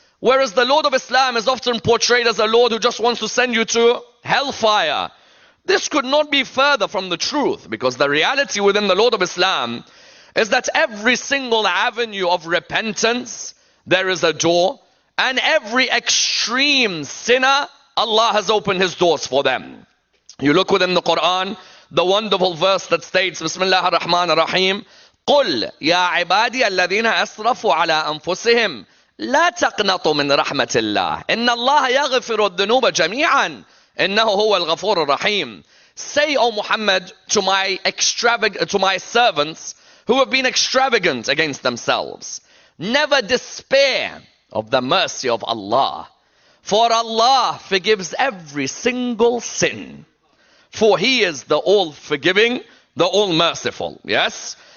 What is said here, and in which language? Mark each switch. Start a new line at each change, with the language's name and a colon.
English: Whereas the Lord of Islam is often portrayed as a Lord who just wants to send you to hellfire. This could not be further from the truth, because the reality within the Lord of Islam is that every single avenue of repentance, there is a door, and every extreme sinner, Allah has opened his doors for them. You look within the Quran, the wonderful verse that states, Bismillah ar-Rahman ar-Rahim,
Arabic: قُلْ يَا عِبَادِيَ الَّذِينَ أَسْرَفُوا عَلَىٰ أَنفُسِهِمْ لَا تَقْنَطُوا مِنْ رَحْمَةِ اللَّهِ إِنَّ اللَّهَ يَغْفِرُ الذُّنُوبَ جَمِيعًا إِنَّهُ هُوَ الْغَفُورُ الرَّحِيمُ.
English: Say, O Muhammad, to my servants, who have been extravagant against themselves, never despair of the mercy of Allah. For Allah forgives every single sin. For He is the all-forgiving, the all-merciful. Yes?